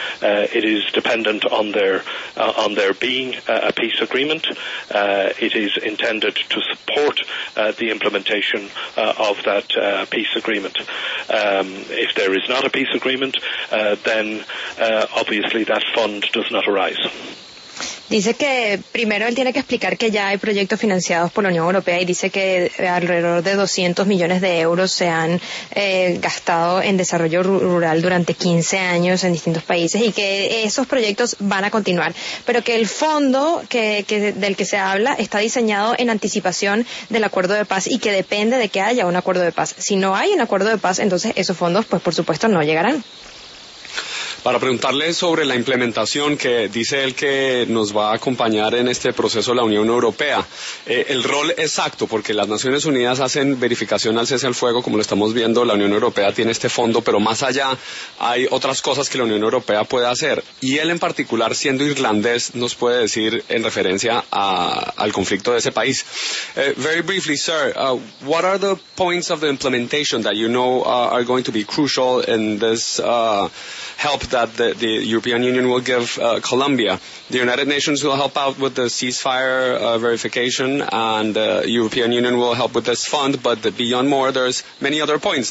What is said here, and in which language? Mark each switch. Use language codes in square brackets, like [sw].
[en] It is dependent on there being a peace agreement. It is intended to support the implementation of that peace agreement. If there is not a peace agreement, then obviously that fund does not arise. [es] Dice que primero él tiene que explicar que ya hay proyectos financiados por la Unión Europea y dice que alrededor de 200 millones de euros se han gastado en desarrollo rural durante 15 años en distintos países y que esos proyectos van a continuar, pero que el fondo que del que se habla está diseñado en anticipación del acuerdo de paz y que depende de que haya un acuerdo de paz. Si no hay un acuerdo de paz, entonces esos fondos, pues por supuesto, no llegarán. Para preguntarle sobre la implementación que dice él que nos va a acompañar en este proceso la Unión Europea, el rol exacto, porque las Naciones Unidas hacen verificación al cese al fuego, como lo estamos viendo, la Unión Europea tiene este fondo, pero más allá hay otras cosas que la Unión Europea puede hacer. Y él en particular, siendo irlandés, nos puede decir en referencia al conflicto de ese país. [en] Very briefly, sir, what are the points of the implementation that you know are going to be crucial in this help that the European Union will give Colombia? The United Nations will help out with the ceasefire verification, and the European Union will help with this fund, but beyond more, there's many other points.